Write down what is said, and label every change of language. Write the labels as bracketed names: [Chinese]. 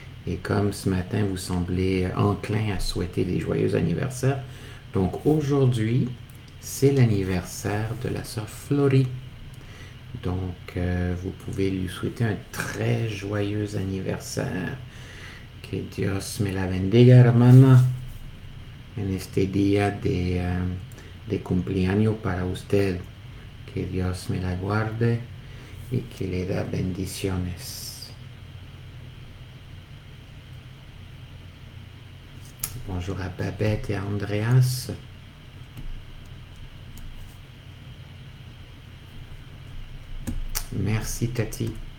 [French] Et comme ce matin, vous semblez enclin à souhaiter des joyeux anniversaires, donc aujourd'hui, c'est l'anniversaire de la sœur Florie. Donc, vous pouvez lui souhaiter un très joyeux anniversaire. [Spanish] Que Dios me la bendiga, hermana. En este día de cumpleaños para usted, que Dios me la guarde y que le da bendiciones. [French] Bonjour à Babette et à Andreas. Merci Tati.